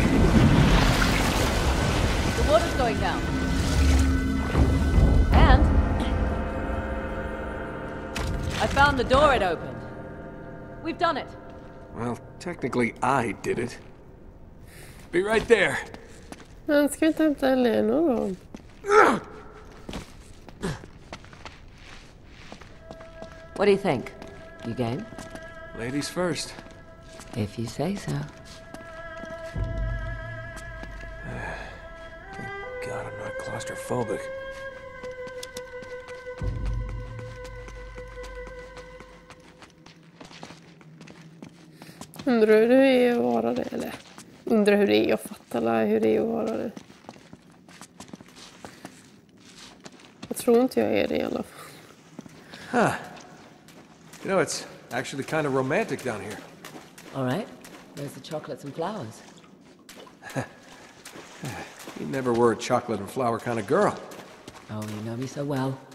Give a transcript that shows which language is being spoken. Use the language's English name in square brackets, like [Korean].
[English] The water's going down. And I found the door it opened. We've done it. Well, technically I did it. Be right there. [Swedish] Men ska inte hämta Eleanor då? [English] What do you think? You game? Ladies first. If you say so. Claustrophobic. [Swedish] Undrar hur det är att vara det, eller? Undrar hur det är att fatta hur det är att vara det. Jag tror inte jag är det i alla fall. Huh. [English] You know, it's actually kind of romantic down here. All right. Where's the chocolates and flowers? You never were a chocolate and flower kind of girl. Oh, you know me so well.